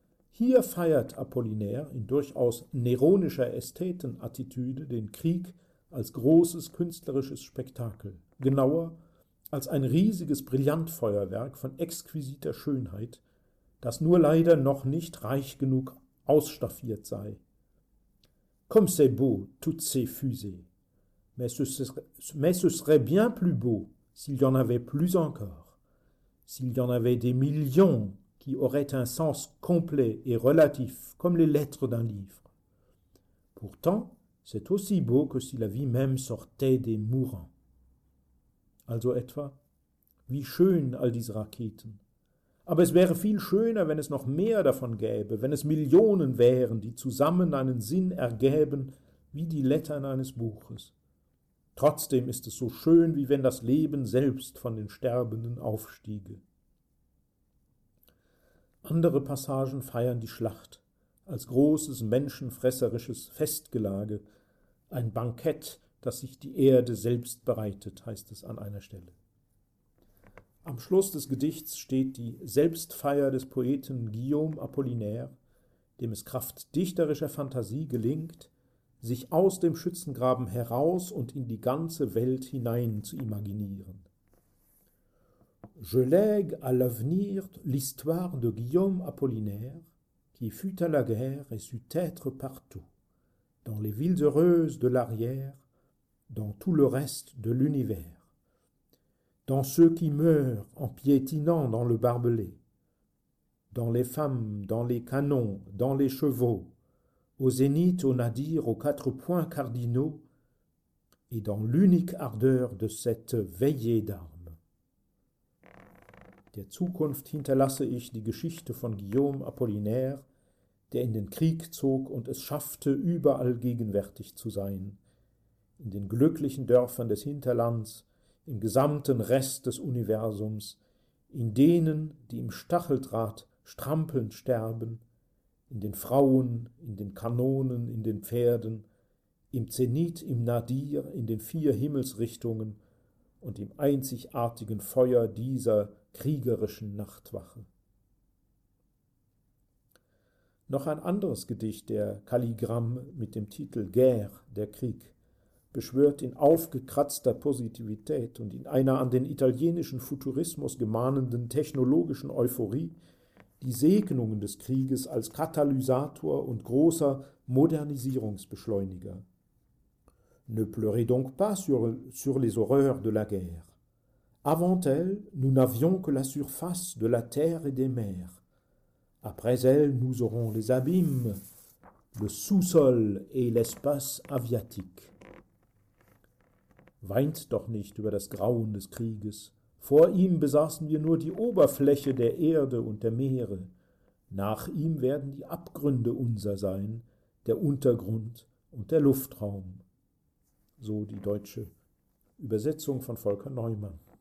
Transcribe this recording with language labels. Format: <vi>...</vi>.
<de>Hier feiert Apollinaire in durchaus neronischer Ästhetenattitüde den Krieg als großes künstlerisches Spektakel, genauer als ein riesiges Brillantfeuerwerk von exquisiter Schönheit, das nur leider noch nicht reich genug ausstaffiert sei.</de> <fr>Comme c'est beau, toutes ces fusées, mais ce serait bien plus beau s'il y en avait plus encore, s'il y en avait des millions qui auraient un sens complet et relatif comme les lettres d'un livre. Pourtant, c'est aussi beau que si la vie même sortait des mourants.</fr> <de>Also etwa, wie schön all diese Raketen. Aber es wäre viel schöner, wenn es noch mehr davon gäbe, wenn es Millionen wären, die zusammen einen Sinn ergäben, wie die Lettern eines Buches. Trotzdem ist es so schön, wie wenn das Leben selbst von den Sterbenden aufstiege. Andere Passagen feiern die Schlacht als großes menschenfresserisches Festgelage, ein Bankett, dass sich die Erde selbst bereitet, heißt es an einer Stelle. Am Schluss des Gedichts steht die Selbstfeier des Poeten Guillaume Apollinaire, dem es Kraft dichterischer Fantasie gelingt, sich aus dem Schützengraben heraus und in die ganze Welt hinein zu imaginieren.</de> <fr>Je lègue à l'avenir l'histoire de Guillaume Apollinaire, qui fut à la guerre et sut être partout, dans les villes heureuses de l'arrière, dans tout le reste de l'univers, dans ceux qui meurent en piétinant dans le barbelé, dans les femmes, dans les canons, dans les chevaux, au zénith, au nadir, aux quatre points cardinaux, et dans l'unique ardeur de cette veillée d'armes.</fr> <de>Der Zukunft hinterlasse ich die Geschichte von Guillaume Apollinaire, der in den Krieg zog und es schaffte, überall gegenwärtig zu sein. In den glücklichen Dörfern des Hinterlands, im gesamten Rest des Universums, in denen, die im Stacheldraht strampelnd sterben, in den Frauen, in den Kanonen, in den Pferden, im Zenit, im Nadir, in den vier Himmelsrichtungen und im einzigartigen Feuer dieser kriegerischen Nachtwache. Noch ein anderes Gedicht der Kalligramm mit dem Titel »Guerre, der Krieg« beschwört in aufgekratzter Positivität und in einer an den italienischen Futurismus gemahnenden technologischen Euphorie die Segnungen des Krieges als Katalysator und großer Modernisierungsbeschleuniger.</de> <fr>Ne pleurez donc pas sur les horreurs de la guerre. Avant elle, nous n'avions que la surface de la terre et des mers. Après elle, nous aurons les abîmes, le sous-sol et l'espace aviatique.</fr> <de>Weint doch nicht über das Grauen des Krieges. Vor ihm besaßen wir nur die Oberfläche der Erde und der Meere. Nach ihm werden die Abgründe unser sein, der Untergrund und der Luftraum. So die deutsche Übersetzung von Volker Neumann.</de>